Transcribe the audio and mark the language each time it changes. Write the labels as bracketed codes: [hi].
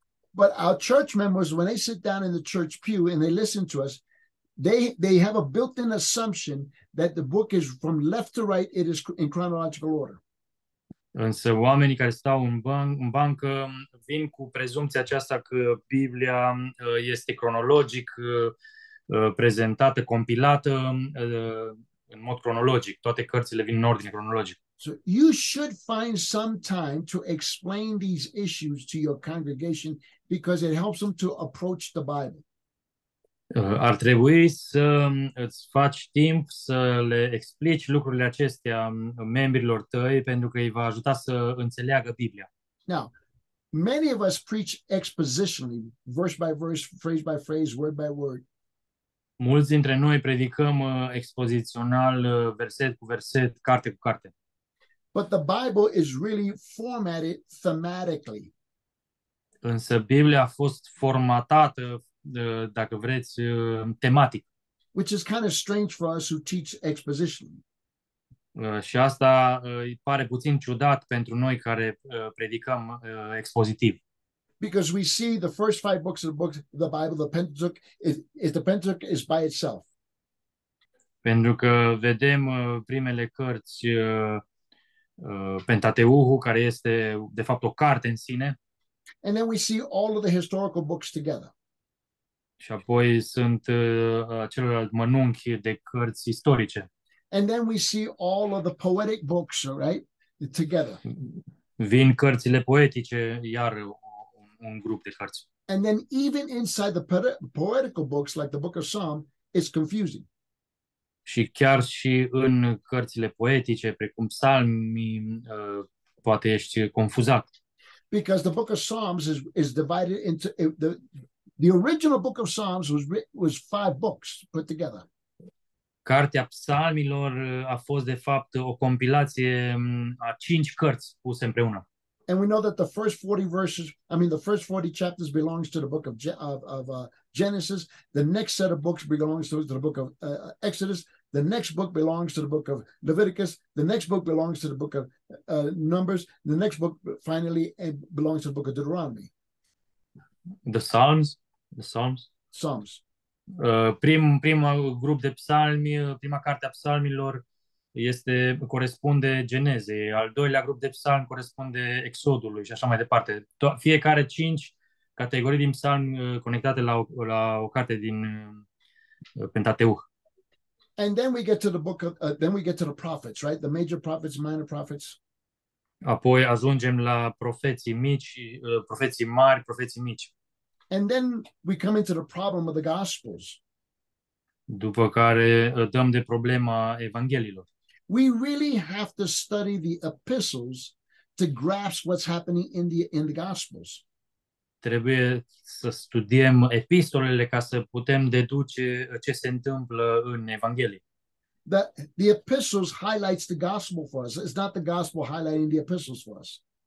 [en] But our church members, when they sit down in the church pew and they listen to us, they have a built-in assumption that the book is from left to right, it is in chronological order. [ro] Însă oamenii care stau în bancă vin cu prezumția aceasta că Biblia este cronologic prezentată, compilată în mod cronologic. Toate cărțile vin în ordine cronologic. [en] So you should find some time to explain these issues to your congregation because it helps them to approach the Bible. [ro] Ar trebui să îți faci timp să le explici lucrurile acestea membrilor tăi pentru că îi va ajuta să înțeleagă Biblia. [en] Now, many of us preach expositionally, verse by verse, phrase by phrase, word by word. [ro] Mulți dintre noi predicăm expozițional, verset cu verset, carte cu carte. [en] But the Bible is really formatted thematically. [ro] Însă Biblia a fost formatată, dacă vreți, tematic. [en] Which is kind of strange for us who teach exposition. [ro] Și asta îi pare puțin ciudat pentru noi care predicăm expozitiv. [en] Because we see the first five books of the book, the Bible, the Pentateuch, is the Pentateuch is by itself. [ro] Pentru că vedem primele cărți Pentateuhul, care este de fapt o carte în sine. [en] And then we see all of the historical books together. [ro] Și apoi sunt celelalte mănunchi de cărți istorice. [en] And then we see all of the poetic books, right, together. [ro] Vin cărțile poetice, iar un grup de cărți. [en] And then even inside the poetical books, like the Book of Psalms, it's confusing. [ro] Și chiar și în cărțile poetice, precum Psalmii, poate ești confuzat. [en] Because the Book of Psalms is divided into the original Book of Psalms was five books put together. [ro] Cartea Psalmilor a fost de fapt o compilație a cinci cărți puse împreună. [en] And we know that the first 40 verses, I mean the first 40 chapters belongs to the book of Genesis, the next set of books belongs to the book of Exodus, the next book belongs to the book of Leviticus, the next book belongs to the book of Numbers, the next book finally belongs to the book of Deuteronomy. The Psalms. Psalms. [ro] Primul grup de psalmi, prima carte a psalmilor este corespunde Genezei, al doilea grup de psalmi corespunde Exodului și așa mai departe. Fiecare cinci categorii din psalmi conectate la o carte din Pentateuh. [en] And then we get to the book of then we get to the prophets, right? The major prophets, minor prophets. [ro] Apoi ajungem la profeții mici, profeții mari, profeții mici. [en] And then we come into the problem of the gospels. [ro] După care dăm de problema evanghelilor. [en] We really have to study the epistles to grasp what's happening in the gospels. [ro] Trebuie să studiem epistolele ca să putem deduce ce se întâmplă în evanghelie. [en] The epistles highlights the gospel for us. It's not the gospel highlighting the epistles for us.